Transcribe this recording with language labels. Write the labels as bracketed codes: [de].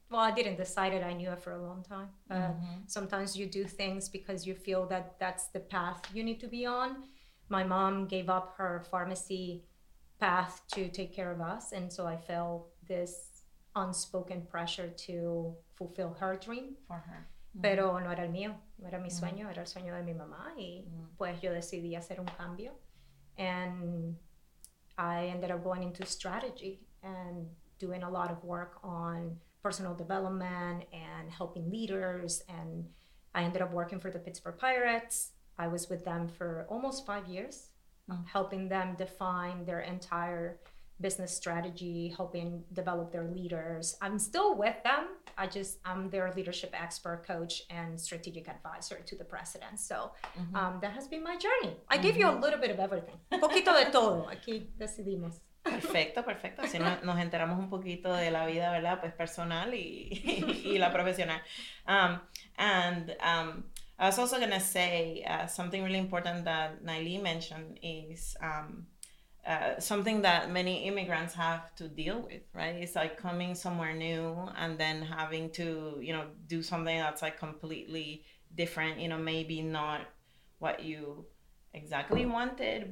[en] Well, I didn't decide it. I knew it for a long time. Sometimes you do things because you feel that that's the path you need to be on. My mom gave up her pharmacy path to take care of us. And so I felt this unspoken pressure to fulfill her dream. For her. [es] Pero no era el mío, no era mi sueño, era el sueño de mi mamá, y pues yo decidí hacer un cambio. [en] And I ended up going into strategy and doing a lot of work on personal development and helping leaders. And I ended up working for the Pittsburgh Pirates. I was with them for almost 5 years, helping them define their entire business strategy, helping develop their leaders. I'm still with them. I'm their leadership expert, coach, and strategic advisor to the president. So that has been my journey. I gave you a little bit of everything. [es] Un poquito de todo. Aquí decidimos. Perfecto, perfecto. Así nos enteramos un poquito de la vida, ¿verdad? Pues personal y la profesional. [en] I was also going to say something really important that Nayeli mentioned is something that many immigrants have to deal with, right? It's like coming somewhere new and then having to, you know, do something that's like completely different, you know, maybe not what you exactly wanted.